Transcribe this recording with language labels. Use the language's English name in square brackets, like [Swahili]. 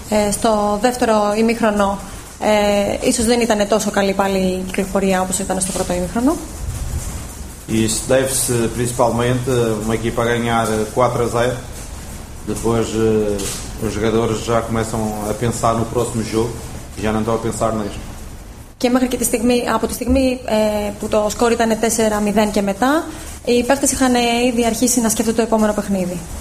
[Greek] Στο δεύτερο ημίχρονο, ίσως δεν ήταν τόσο καλή πάλι η κυκλοφορία όπως ήταν στο πρώτο ημίχρονο. [Portuguese] Isso deve-se principalmente uma equipa a ganhar 4-0. Depois os jogadores já começam a pensar no próximo jogo. Já não estou a pensar nisso. [Greek] Και μέχρι και τη στιγμή, από τη στιγμή που το σκορ ήταν 4-0 και μετά, οι παίχτες είχαν ήδη αρχίσει να σκέφτονται το επόμενο παιχνίδι.